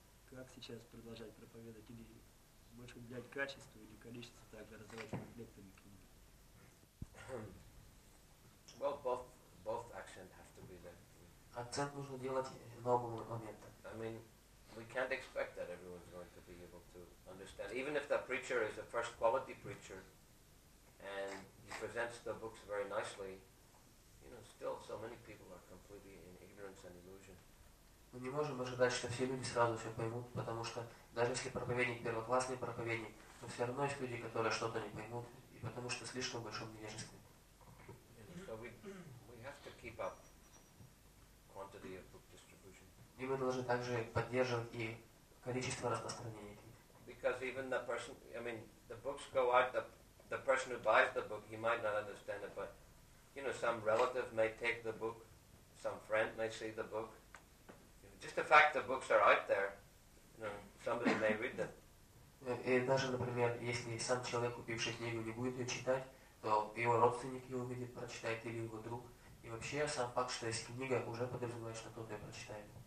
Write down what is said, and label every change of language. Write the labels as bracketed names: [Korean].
[Russian] Как сейчас продолжать проповедовать? Или больше уделять качеству или количеству, так развивать комплектами книг? [English] Well, both accent have to be there. [Russian] Акцент нужно делать на оба момента. [English] I mean, we can't expect that everyone's going to be able to understand. Even if the preacher is a first quality preacher and he presents the books very nicely, you know, still so many people are completely in ignorance and illusion. [Russian] Мы не можем ожидать, что все люди сразу все поймут, потому что даже если проповедник первоклассный проповедник, то все равно есть люди, которые что-то не поймут. Потому что слишком большом невежестве. [English] So we have to keep up quantity of book distribution. [Russian] И мы должны также поддерживать и количество распространения книг. [English] Because even the person, I mean, the books go out, the person who buys the book, he might not understand it, but, you know, some relative may take the book, some friend may see the book. Just the fact the books are out there, you know, somebody may read them. [Russian] И даже, например, если сам человек, купивший книгу, не будет ее читать, то его родственник ее увидит, прочитает, или его друг. И вообще сам факт, что есть книга, уже подразумевает, что кто-то ее прочитает.